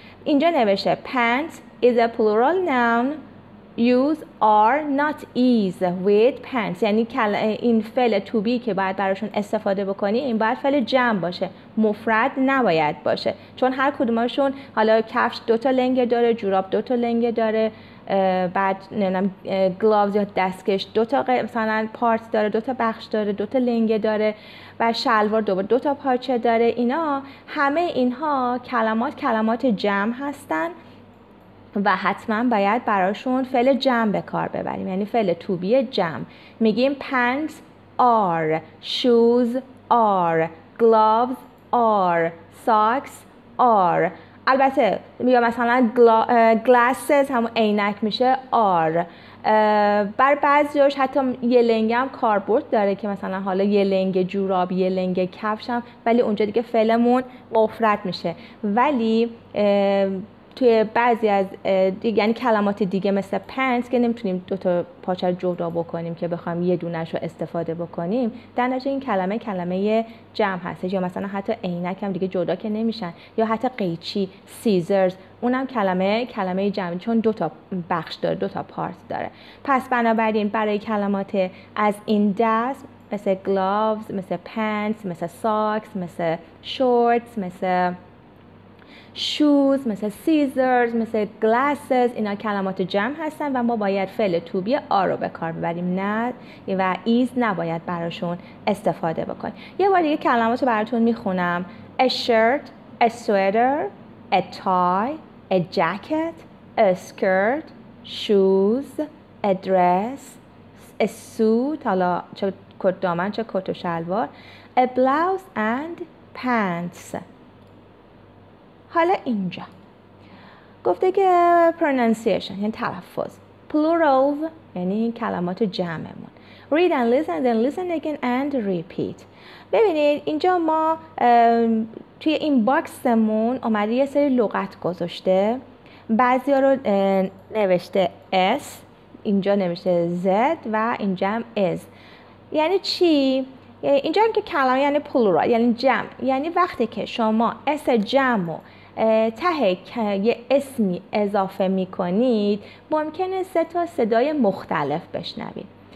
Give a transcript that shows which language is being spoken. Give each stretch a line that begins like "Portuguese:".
Persian: اینجا نوشته
English: pants is a plural noun use are not is with pants،
Persian: یعنی این فعل to be که باید براشون استفاده بکنی این باید فعل جمع باشه، مفرد نباید باشه، چون هر کدومشون، حالا کفش دوتا لنگه داره، جوراب دوتا لنگه داره، بعد نمیدونم گلاوز یا دستکش دوتا مثلا پارت داره، دوتا بخش داره، دوتا لنگه داره، و شلوار دوباره دوتا پارچه داره. اینا همه اینها کلمات جمع هستن و حتما باید براشون فعل جمع به کار ببریم، یعنی فعل to be جمع.
English: میگیم pants are، shoes are، gloves are، socks are.
Persian: البته یا مثلا glasses همون عینک میشه are. بر بعضیش حتی یه لنگ هم کاربرد داره که مثلا حالا یه لنگ جوراب، یه لنگ کفش هم، ولی اونجا دیگه فعلمون مفرد میشه. ولی توی بعضی از دیگه، یعنی کلمات دیگه مثل pants که نمیتونیم دوتا پاچه جدا بکنیم که بخوایم یه دونش رو استفاده بکنیم، در نتیجه این کلمه جمع هستش. یا مثلا حتی عینک هم دیگه جدا که نمیشن، یا حتی قیچی scissors اونم کلمه جمع، چون دوتا بخش داره، دوتا پارت داره. پس بنابراین برای کلمات از این دست مثل gloves، مثل pants، مثل socks، مثل shorts، مثل shoes، مثل scissors، مثل glasses، اینا کلمات جمع هستن و ما باید فعل to be are رو به کار ببریم، نه و is نباید براشون استفاده بکنیم. یه بار دیگه کلمات رو براتون میخونم:
English: a shirt، a sweater، a tie، a jacket، a skirt، shoes، a dress، a suit،
Persian: حالا چه کت دامن چه کت و شلوار،
English: a blouse and pants.
Persian: حالا اینجا گفته که pronunciation یعنی تلفظ، plurals یعنی کلمات جمعمون.
English: read and listen then listen again and repeat.
Persian: ببینید اینجا ما توی این باکسمون اومده یه سری لغت گذاشته، بعضی ها رو نوشته S، اینجا نوشته Z و اینجا هم is. یعنی چی؟ اینجا هم که کلمه یعنی plural یعنی جمع، یعنی وقتی که شما S جمع رو ته یه اسمی اضافه می کنید، ممکنه سه تا صدای مختلف بشنوید.